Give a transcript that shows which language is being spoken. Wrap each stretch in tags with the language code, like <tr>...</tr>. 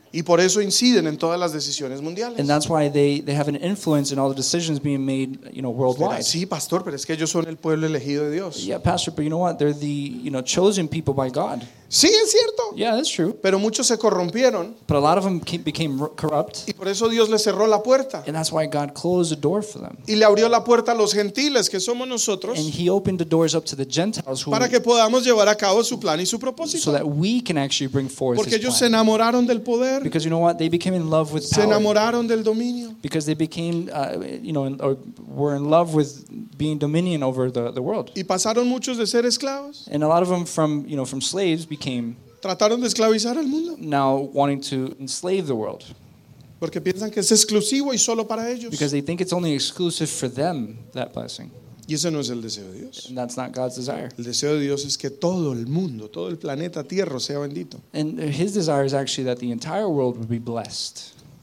<es>Y por eso inciden en todas las decisiones mundiales.</es> <en>And that's why they have an influence in all the decisions being made, you know, worldwide.</en> <es>Sí, pastor, pero es que ellos son el pueblo elegido de Dios.</es> <en>Yeah, pastor, but you know what? They're the, you know, chosen people by God.</en> <es>Sí, es cierto.</es> <en>Yeah, that's true.</en> <es>Pero muchos se corrompieron.</es> <en>But a lot of them became corrupt.</en> <es>Y por eso Dios les cerró la puerta.</es> <en>And that's why God closed the door for them.</en> <es>Y le abrió la puerta a los gentiles, que somos nosotros.</es> <en>And he opened the doors up to the Gentiles.</en> <es>Para que podamos llevar a cabo su plan y su propósito.</es> <en>So that we can actually bring forth</en> <es>Porque</es> <en>his plan.</en> <es>Porque ellos se enamoraron del poder.</es> <en>Because you know what? They became in love with</en> <es>se</es> <en>power.</en> <es>Se enamoraron del dominio.</es> <en>Because they became, you know, or were in love with being dominion over the world.</en> <es>Y pasaron muchos de ser esclavos.</es> <en>And a lot of them from, you know, from slaves became</en> <es>trataron de esclavizar al mundo.</es> <en>Now wanting to enslave the world.</en> <es>Porque piensan que es exclusivo y solo para ellos.</es> <en>Because they think it's only exclusive for them, that blessing.</en> <es>Y ese no es el deseo de Dios.</es> <en>And that's not God's desire.</en> <es>El deseo de Dios es que todo el mundo, todo el planeta Tierra sea bendito.</es> <en>And his desire is actually that the entire world would be blessed.</en>